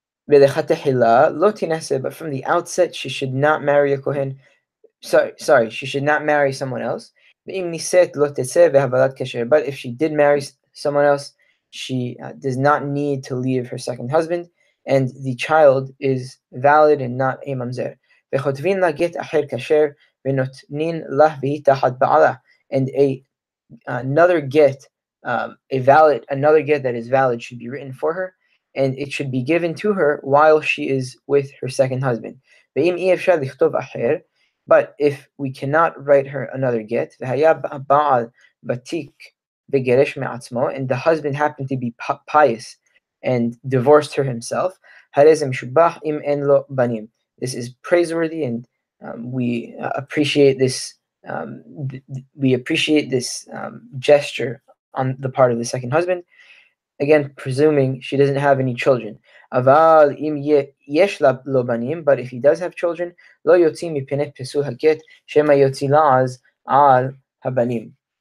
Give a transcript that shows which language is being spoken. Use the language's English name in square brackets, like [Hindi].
[Hebrew] V'lechate hila lo tinase, [English] but from the outset she should not marry a kohen. Sorry, she should not marry someone else. [Hebrew] V'im niset lo tetse v'havalat kesher, [English] but if she did marry someone else, she does not need to leave her second husband, and the child is valid and not a mamzer. [Hebrew] וכותבין לה גט אחר כשר, ונותנין לה והיא תחת בעלה. [English] And another get, another get that is valid should be written for her, and it should be given to her while she is with her second husband. [Hebrew] ואם אי אפשר לכתוב אחר, [English] but if we cannot write her another get, [Hebrew] והיה בעל ותיק וגרש מעצמו, [English] and the husband happened to be pious and divorced her himself, [Hebrew] הרי זה משובח אם אין לו בנים. [English] This is praiseworthy, and we appreciate this gesture on the part of the second husband. Again, presuming she doesn't have any children. [Hebrew] Aval im yesh la lo banim, [English] but if he does have children, [Hebrew] lo yotzi mipnei pesul haget shema yotzi laz al habanim.